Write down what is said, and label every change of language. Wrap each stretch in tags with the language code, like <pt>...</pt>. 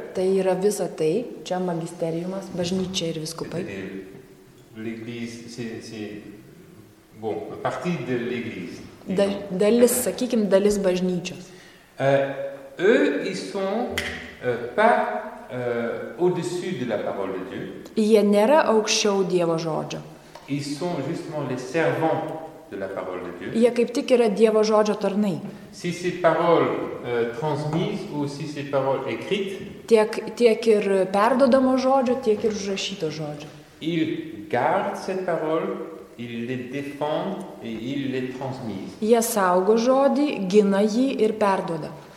<lt>Tai yra visa tai, čia magisteriumas, bažnyčia ir viskupai.</lt> <fr>L'église, c'est bon, partie de l'église.</fr> <lt>Dalis, sakykim, dalis bažnyčios.</lt> <fr>Eux, ils sont pas au-dessus de la parole de Dieu.</fr> <lt>Jie nėra aukščiau Dievo žodžio.</lt> <fr>Ils sont justement les servants de la parole de Dieu.</fr> <lt>Jie kaip tik yra Dievo žodžio tarnai.</lt> <fr>Si c'est parole transmise ou si c'est parole écrite.</fr> <lt>Tiek ir perdodamo žodžio, tiek ir užrašyto žodžio.</lt> <fr>Ils gardent cette parole. Il les défend et il les transmet.</fr> <lt>Jie saugo žodį, gina jį ir perduoda.</lt>